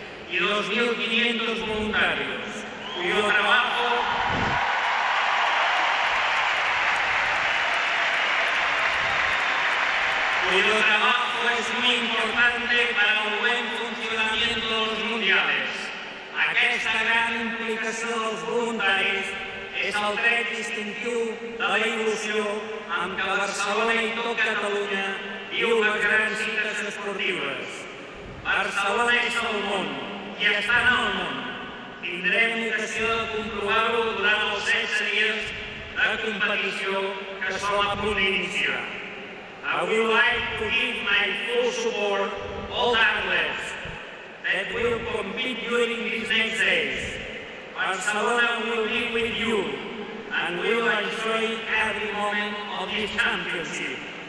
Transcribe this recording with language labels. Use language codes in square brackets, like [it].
[es] Y 2.500 voluntarios, cuyo trabajo es muy importante para el buen funcionamiento de los mundiales. [ca] Aquesta gran implicació dels voluntaris és el tret distintiu de la il·lusió amb què Barcelona i tot Catalunya viu les grans cites esportives. Barcelona és el món. I està en el món. Tindrem ocasió de comprovar-ho durant els 16 dies de competició que som a punt d'iniciar. [en] I would like to give my full support to all athletes that will compete during these next days. Barcelona will be with you and will enjoy every moment of this championship.